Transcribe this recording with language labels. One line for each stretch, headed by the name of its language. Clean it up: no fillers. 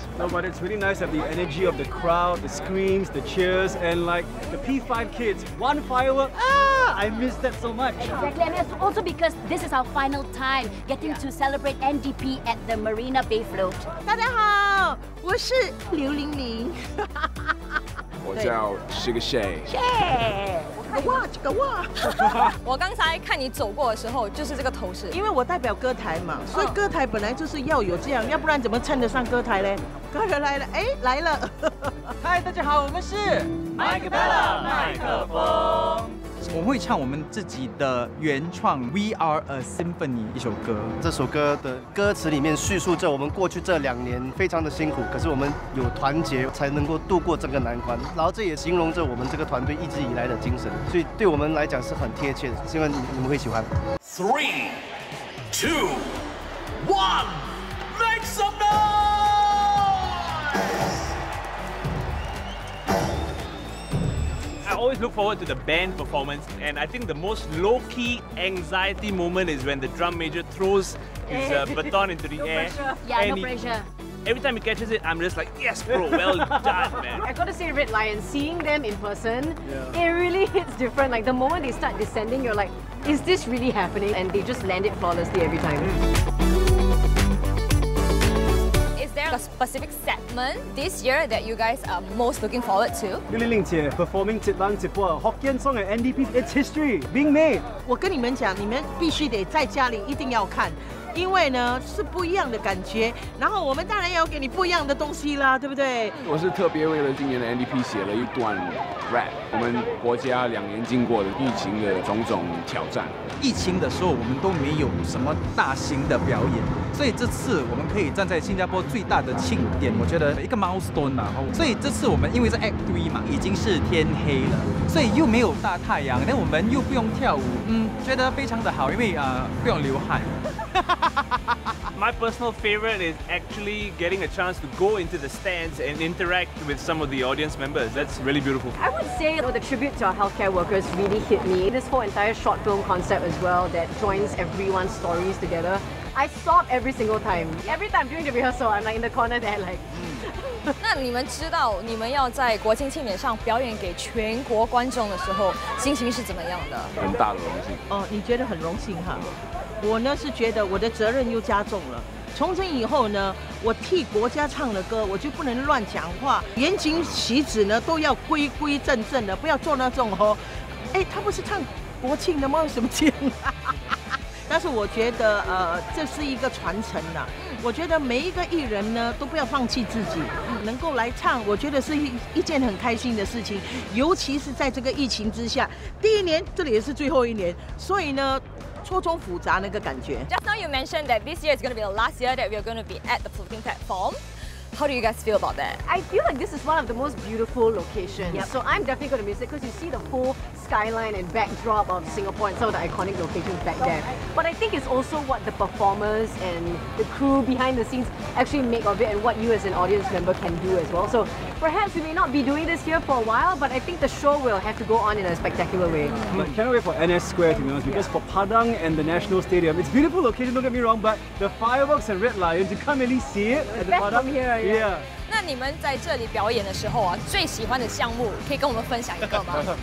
English: No, but it's really nice to have the energy of the crowd, the screams, the cheers, and like the P5 kids, one firework. I missed that so much. Exactly, and it's also because this is our final time getting to celebrate NDP at the Marina Bay float.
Chinese: 大家好，我是刘玲玲。我叫 Sugar Shay。 Shay， 哇，这个哇！我刚才看你走过的时候，就是这个头饰。因为我代表歌台嘛，所以歌台本来就是要有这样，要不然怎么称得上歌台嘞？客人来了，哎，来了。嗨，大家好，我们是 Mike Bella 麦克风。我会唱我们自己的原创《We Are a Symphony》一首歌。这首歌的歌词里面叙述着我们过去这两年非常的辛苦，可是我们有团结才能够度过这个难关。然后这也形容着我们这个团队一直以来的精神，所以对我们来讲是很贴切的。希望你们会喜欢。
English: Three, two, one, make some noise! I always look forward to the band performance, and I think the most low-key anxiety moment is when the drum major throws his baton into the air. Pressure. Yeah, no pressure. Every time he catches it, I'm just like, yes, bro, well done, man. I gotta say, Red Lion, seeing them in person, it really hits different. Like, the moment they start descending, you're like, is this really happening? And they just land it flawlessly every time. A specific segment this year that you guys are most looking forward to? Lily Ling Jie performing Tit Lang Tit Pua Hokkien song at NDP. It's history being made. 我跟你们讲，你们必须得在家里一定要看，因为呢是不一样的感觉。然后我们当然要给你不一样的东西啦，对不对？我是特别为了今年的 NDP 写了一段 rap。我们国家两年经过的疫情的种种挑战。疫情的时候，我们都没有什么大型的表演，所以这次我们可以站在新加坡最大的庆典，我觉得一个 milestone 啊。所以这次我们因为是 Act 3嘛，已经是天黑了，所以又没有大太阳，那我们又不用跳舞，觉得非常的好，因为不用流汗。 My personal favorite is actually getting a chance to go into the stands and interact with some of the audience members. That's really beautiful. I would say the tribute to our healthcare workers really hit me. This whole entire short film concept as well that joins everyone's stories together. I sob every single time. Every time during the rehearsal, I'm like in the corner there like...
Chinese: 那你们知道你们要在国庆庆典上表演给全国观众的时候，心情是怎么样的？很大的荣幸。哦，你觉得很荣幸哈？我呢是觉得我的责任又加重了。从今以后呢，我替国家唱了歌，我就不能乱讲话，言行举止呢都要规规正正的，不要做那种哦。哎，他不是唱国庆的吗？为什么庆？但是我觉得这是一个传承的。我觉得每一个艺人呢都不要放弃自己，能够来唱，我觉得是一件很开心的事情。尤其是在这个疫情之下，第一年这里也是最后一年，所以呢错综复杂那个感觉。
English: Just now you mentioned that this year is going to be the last year that we are going to be at the floating platform. How do you guys feel about that? I feel like this is one of the most beautiful locations. Yep. So I'm definitely going to miss it because you see the whole skyline and backdrop of Singapore and some of the iconic locations back there. But I think it's also what the performers and the crew behind the scenes actually make of it and what you as an audience member can do as well. So perhaps we may not be doing this here for a while, but I think the show will have to go on in a spectacular way. But can't wait for NS Square to be honest, because for Padang and the National Stadium, it's a beautiful location, don't get me wrong, but the fireworks and Red Lion, you can't really see it at the Padang. Yeah.
Chinese: 那你们在这里表演的时候啊，最喜欢的项目可以跟我们分享一个吗？